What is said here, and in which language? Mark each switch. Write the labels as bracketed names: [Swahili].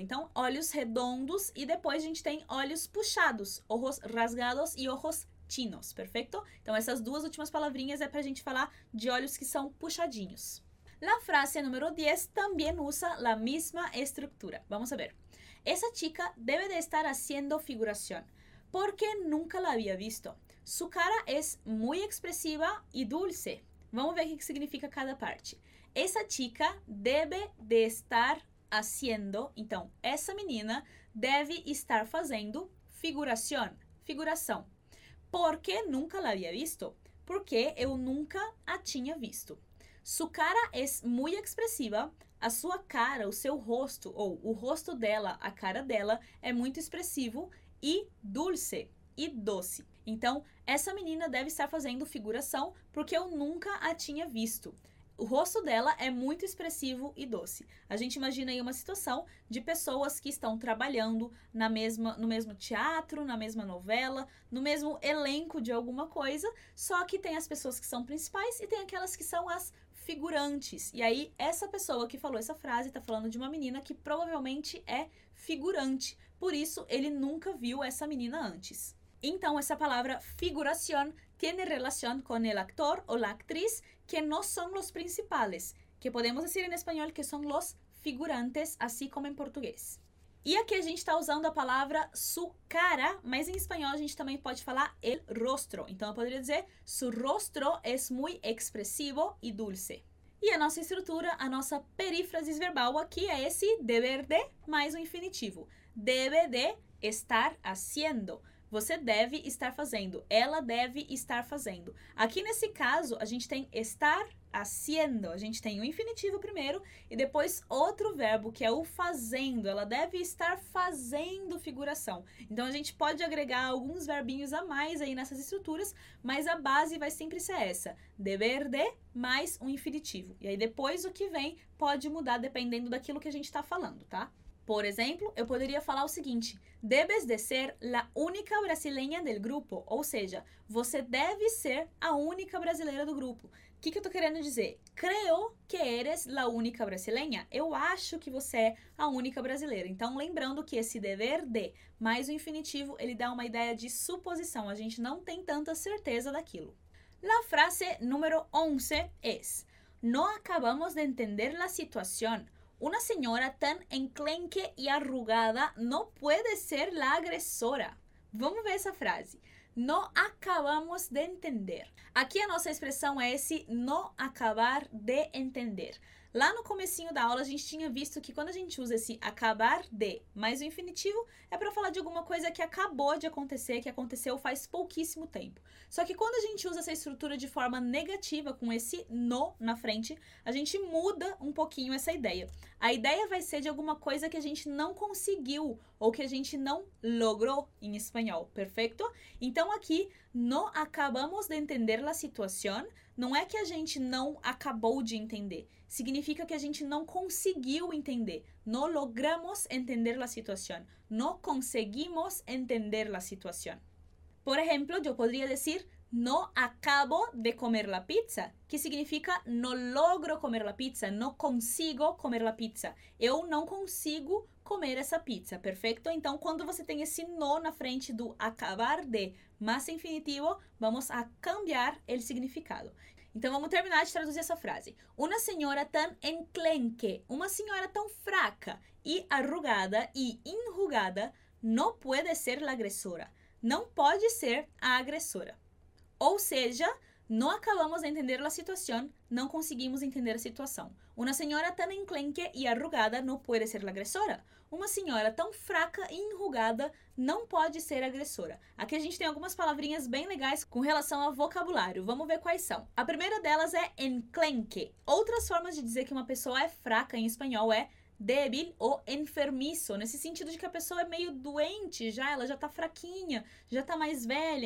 [Portuguese] Então, olhos redondos e depois a gente tem olhos puxados, [Spanish] ojos rasgados e ojos chinos, [Portuguese] perfeito? Então, essas duas últimas palavrinhas é para a gente falar de olhos que são puxadinhos. [Spanish] La frase número 10 [Portuguese] também usa [Spanish] la misma estrutura. Vamos a ver. Esa chica debe de estar haciendo figuración porque nunca la había visto. Su cara es muy expresiva y dulce. [Portuguese] Vamos ver o que significa cada parte. [Spanish] Esa chica debe de estar haciendo, [Portuguese] então, essa menina deve estar fazendo figuración, figuração. [Spanish] Porque nunca la había visto? [Portuguese] Porque eu nunca a tinha visto. [Spanish] Su cara es muy expresiva. [Portuguese] A sua cara, o seu rosto, ou o rosto dela, a cara dela, é muito expressivo e dulce, e doce. Então, essa menina deve estar fazendo figuração porque eu nunca a tinha visto. O rosto dela é muito expressivo e doce. A gente imagina aí uma situação de pessoas que estão trabalhando no mesmo teatro, na mesma novela, no mesmo elenco de alguma coisa, só que tem as pessoas que são principais e tem aquelas que são as figurantes. E aí, essa pessoa que falou essa frase está falando de uma menina que provavelmente é figurante. Por isso, ele nunca viu essa menina antes. Então, essa palavra [Spanish] figuración tiene relación con el actor o la actriz que no son los principales, que podemos decir en español que son los figurantes, así como en portugués. [Portuguese] E aqui a gente está usando a palavra su cara, mas em espanhol a gente também pode falar el rostro. Então, eu poderia dizer [Spanish] su rostro es muy expresivo y dulce. [Portuguese] E a nossa estrutura, a nossa perífrase verbal aqui é esse deber de mais o infinitivo. [Spanish] Debe de estar haciendo. [Portuguese] Você deve estar fazendo. Ela deve estar fazendo. Aqui nesse caso, a gente tem estar haciendo. A gente tem o infinitivo primeiro e depois outro verbo, que é o fazendo. Ela deve estar fazendo figuração. Então, a gente pode agregar alguns verbinhos a mais aí nessas estruturas, mas a base vai sempre ser essa. Deber de mais um infinitivo. E aí, depois, o que vem pode mudar dependendo daquilo que a gente está falando, tá? Por exemplo, eu poderia falar o seguinte: [Spanish] debes de ser la única brasileña del grupo. [Portuguese] Ou seja, você deve ser a única brasileira do grupo. O que, que eu tô querendo dizer? [Spanish] Creo que eres la única brasileña. [Portuguese] Eu acho que você é a única brasileira. Então, lembrando que esse dever de mais o infinitivo, ele dá uma ideia de suposição. A gente não tem tanta certeza daquilo. [Spanish] La frase número 11 es: no acabamos de entender la situación. Una señora tan enclenque y arrugada no puede ser la agresora. [Portuguese] Vamos ver essa frase. [Spanish] No acabamos de entender. [Portuguese] Aqui a nossa expressão é esse no acabar de entender. Lá no comecinho da aula, a gente tinha visto que quando a gente usa esse acabar de mais o infinitivo, é para falar de alguma coisa que acabou de acontecer, que aconteceu faz pouquíssimo tempo. Só que quando a gente usa essa estrutura de forma negativa, com esse no na frente, a gente muda um pouquinho essa ideia. A ideia vai ser de alguma coisa que a gente não conseguiu ou que a gente não logrou em espanhol, perfeito? Então aqui, [Spanish] no acabamos de entender la situación, [Portuguese] não é que a gente não acabou de entender. Significa que a gente não conseguiu entender. [Spanish] No logramos entender la situación. No conseguimos entender la situación. [Portuguese] Por exemplo, eu poderia dizer: [Spanish] no acabo de comer la pizza. [Portuguese] Que significa [Spanish] no logro comer la pizza. No consigo comer la pizza. [Portuguese] Eu não consigo comer essa pizza, perfeito? Então, quando você tem esse no na frente do acabar de mais infinitivo, [Spanish] vamos a cambiar [Portuguese] o significado. Então, vamos terminar de traduzir essa frase. [Spanish] Una señora tan enclenque, [Portuguese] uma senhora tão fraca e arrugada e enrugada, no puede ser la agresora. Não pode ser a agressora. Ou seja, [Spanish] no acabamos de entender la situación, [Portuguese] não conseguimos entender a situação. [Spanish] Una señora tan enclenque y arrugada no puede ser la agresora. [Portuguese] Uma senhora tão fraca e enrugada não pode ser agressora. Aqui a gente tem algumas palavrinhas bem legais com relação ao vocabulário. Vamos ver quais são. A primeira delas é enclenque. Outras formas de dizer que uma pessoa é fraca em espanhol é débil ou enfermizo, nesse sentido de que a pessoa é meio doente já, ela já tá fraquinha, já tá mais velha.